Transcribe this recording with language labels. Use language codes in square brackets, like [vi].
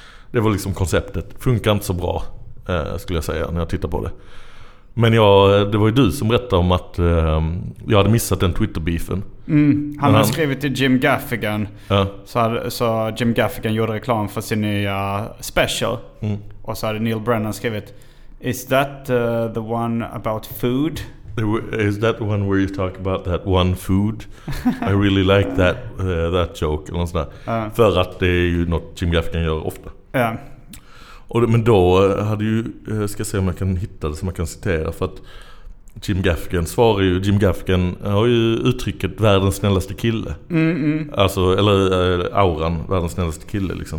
[sv] Det var liksom konceptet. Funkar inte så bra, skulle jag säga, när jag tittar på det. Men ja, det var ju du som berättade om att jag hade missat den Twitter-beefen. Han har skrivit till Jim Gaffigan. Ja. Så Jim Gaffigan gjorde reklam för sin nya special. Mm. Och så hade Neil Brennan skrivit, [en] is that the one about food? Is that the one where you talk about that one food? I really like that, that joke. [sv] Eller sådär. För att det är ju något Jim Gaffigan gör ofta. Ja. Men då hade ju, ska se om jag kan hitta det som jag kan citera, för att Jim Gaffigan svarar ju, Jim Gaffigan har ju uttrycket världens snällaste kille. Alltså, eller auran, världens snällaste kille liksom.